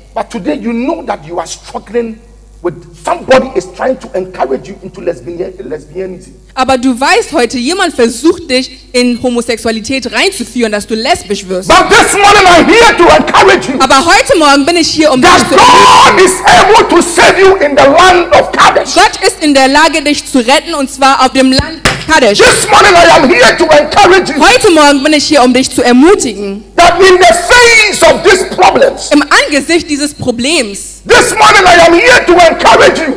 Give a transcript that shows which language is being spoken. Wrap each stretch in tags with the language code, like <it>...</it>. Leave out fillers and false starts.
<en>But today you know that you are struggling. With somebody is trying to encourage you into lesbianism.</en> <de>Aber du weißt heute, jemand versucht dich in Homosexualität reinzuführen, dass du lesbisch wirst.</de> <en>But this morning I'm here to encourage you.</en> <de>Aber heute Morgen bin ich hier, um dich zu ermutigen.</de> <en>God is able to save you in the land of Kadesh.</en> <de>Gott ist in der Lage, dich zu retten, und zwar auf dem Land Kadesh.</de> <en>This morning I am here to encourage you.</en> <de>Heute Morgen bin ich hier, um dich zu ermutigen.</de> <en>That in the face of these problems.</en> <de>Im Angesicht dieses Problems.</de> <en>This morning I am here to encourage you.</en>